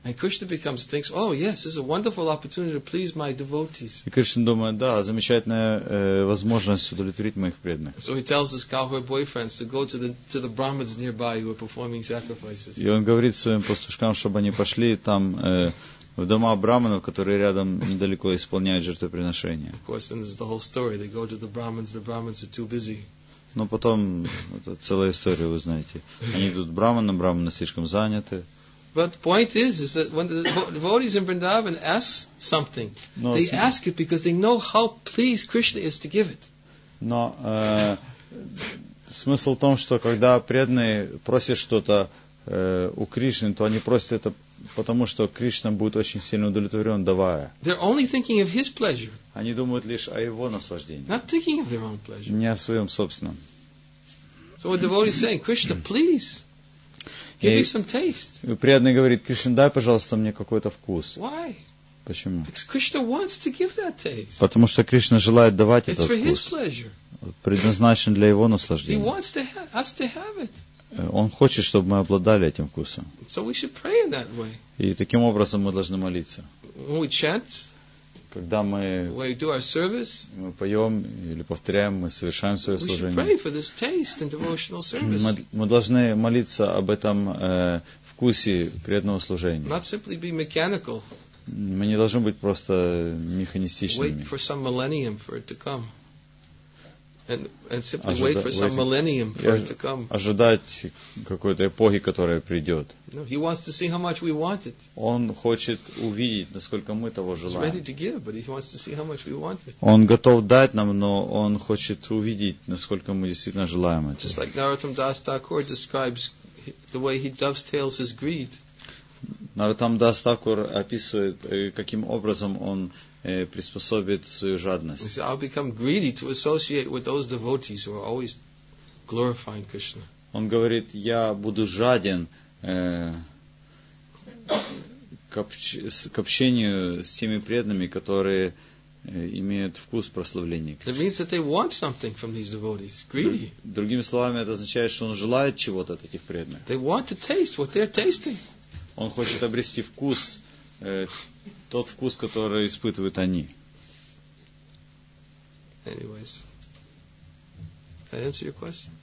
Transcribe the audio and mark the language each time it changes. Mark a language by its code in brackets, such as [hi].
[en] And Krishna becomes thinks, oh yes, this is a wonderful opportunity to please my devotees. [ru] И Кришна думает, да, замечательная возможность удовлетворить моих преданных. [en] So he tells his cowherd boyfriends to go to the Brahmins nearby who are performing sacrifices. [ru] И он говорит своим пастушкам, чтобы они пошли там в дома браманов, которые рядом недалеко исполняют жертвоприношения. [en] Of course, then there's the whole story. They go to the Brahmins are too busy. [ru] Но потом это целая история, вы знаете. Они идут браманам, браманы слишком заняты. [en] But the point is that when the devotees in Vrindavan ask something, no, they ask it because they know how pleased Krishna is to give it. [ru] Но смысл в том, что когда преданные просят что-то у Кришны, то они просят это потому, что Кришна будет очень сильно удовлетворен, давая. [en] They're only thinking of his pleasure. [ru] Они думают лишь о его наслаждении. [en] Not thinking of their own pleasure. [ru] Не о своем собственном. [en] So what the devotee is saying, Krishna, please. Give me some taste. [ru] Преданный говорит, Кришна, дай, пожалуйста, мне какой-то вкус. [en] Why? [ru] Почему? [en] Because Krishna wants to give that taste. [ru] Потому что Кришна желает давать этот вкус. [en] It's for his pleasure. [ru] Предназначен для его наслаждения. [en] He wants to us to have it. [ru] Он хочет, чтобы мы обладали этим вкусом. [en] So we should pray in that way. [ru] И таким образом мы должны молиться. [en] When we chant, [ru] когда мы, [en] when we do our service, [ru] мы поем или повторяем, мы совершаем свое служение, [en] pray for this taste and devotional service. [ru] Мы должны молиться об этом вкусе преданного служения. [en] Not simply be mechanical. [ru] Мы не должны быть просто механистичными. [en] Wait for some millennium for it to come. And simply wait for some millennium for it to come. [ru] Ожидать какой-то эпохи, которая придет. [en] No, he wants to see how much we want it. [ru] Он хочет увидеть, насколько мы того желаем. [en] He's ready to give, but he wants to see how much we want it. [ru] Он готов дать нам, но он хочет увидеть, насколько мы действительно желаем это. [en] Just like Narottam Das Thakur describes the way he dovetails his greed. [ru] Narottam Das Thakur описывает, каким образом он приспособит свою жадность. [en] He said, I'll become greedy to associate with those devotees who are always glorifying Krishna. [ru] Он говорит, я буду жаден к общению с теми преданными, которые имеют вкус прославления Кришны. [en] It means that they want something from these devotees. Greedy. [ru] Другими словами, это означает, что он желает чего-то от этих преданных. [en] They want to taste what they're tasting. [ru] Он хочет обрести вкус тот вкус, который испытывают они. [en] Anyways, did I answer your question?